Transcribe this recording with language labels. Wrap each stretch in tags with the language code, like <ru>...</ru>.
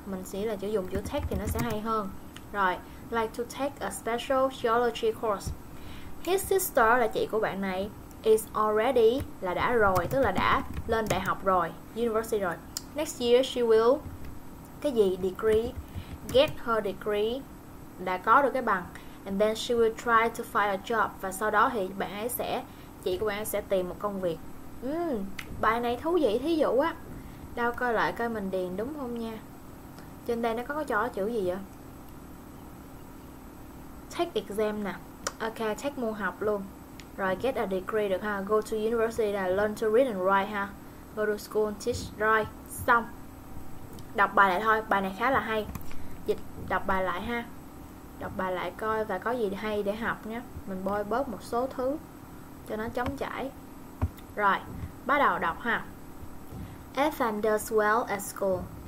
<vi>Mình sẽ là chữ dùng chữ take thì nó sẽ hay hơn. Rồi,</vi> <en>like to take a special geology course. His sister</en> <vi>là chị của bạn này</vi> <en>is already,</en> <vi>là đã rồi, tức là đã lên đại học rồi, university rồi.</vi> <en>Next year she will, cái gì, degree, get her degree,</en> <vi>đã có được cái bằng.</vi> <en>And then she will try to find a job.</en> <vi>Và sau đó thì bạn ấy sẽ, chị của bạn ấy sẽ tìm một công việc. Bài này thú vị, thí dụ á. Đâu coi lại coi mình điền đúng không nha. Trên đây nó có cho chữ gì vậy? Take exam nè. Ok, take môn học luôn. Rồi,</vi> <en>get a degree</en> <vi>được ha.</vi> <en>Go to university là learn to read and write ha. Go to school, teach, write. Xong.</en> <vi>Đọc bài lại thôi, bài này khá là hay. Dịch, đọc bài lại ha. Đọc bài lại coi và có gì hay để học nhé. Mình bôi bớt một số thứ cho nó chống chảy. Rồi, bắt đầu đọc ha.</vi> <en>Ethan does well at school.</en>